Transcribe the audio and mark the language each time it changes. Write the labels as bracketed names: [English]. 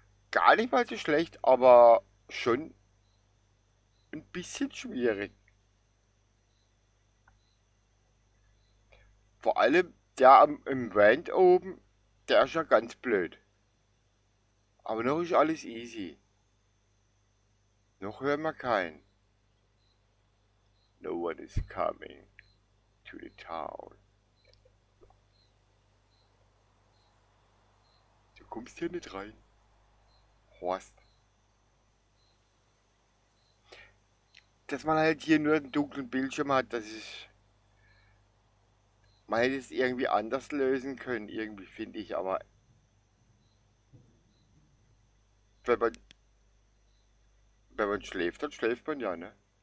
[German] Gar nicht mal so schlecht, aber schon ein bisschen schwierig. Vor allem der im Rand oben, der ist ja ganz blöd. Aber noch ist alles easy. Noch hören wir keinen. [English] No one is coming to the town. [German] Du kommst hier nicht rein. Horst. Dass man halt hier nur einen dunklen Bildschirm hat, das ist... Man hätte es irgendwie anders lösen können, irgendwie finde ich, aber wenn man schläft, dann schläft man ja, ne?